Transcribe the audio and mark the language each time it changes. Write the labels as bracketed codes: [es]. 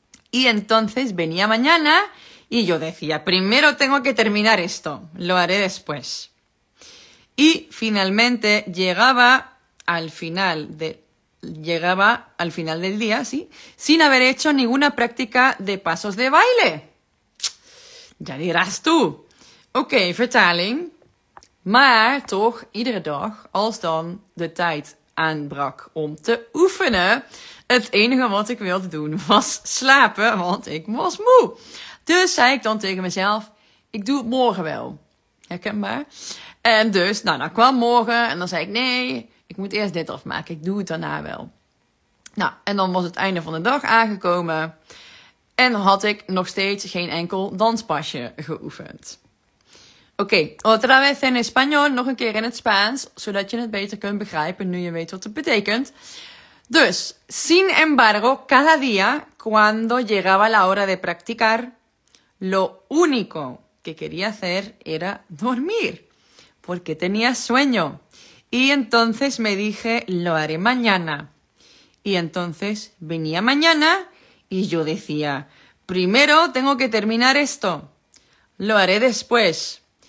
[es] Y entonces venía mañana y yo decía, primero tengo que terminar esto, lo haré después. Y finalmente llegaba al final del día, ¿sí? Sin haber hecho ninguna práctica de pasos de baile. Ya dirás tú. Ok, vertaling. [nl] Maar toch, iedere dag, als dan de tijd aanbrak om te oefenen, het enige wat ik wilde doen was slapen, want ik was moe. Dus zei ik dan tegen mezelf, ik doe het morgen wel. Herkenbaar. En dus, nou, dan kwam morgen en dan zei ik, nee, ik moet eerst dit afmaken, ik doe het daarna wel. Nou, en dan was het einde van de dag aangekomen en had ik nog steeds geen enkel danspasje geoefend. Oké, [es] otra vez en español, [nl] nog een keer in het Spaans, zodat je het beter kunt begrijpen nu je weet wat het betekent. [es] Dus, sin embargo, cada día, cuando llegaba la hora de practicar, lo único que quería hacer era dormir, porque tenía sueño. Y entonces me dije, lo haré mañana. Y entonces venía mañana y yo decía, primero tengo que terminar esto, lo haré después.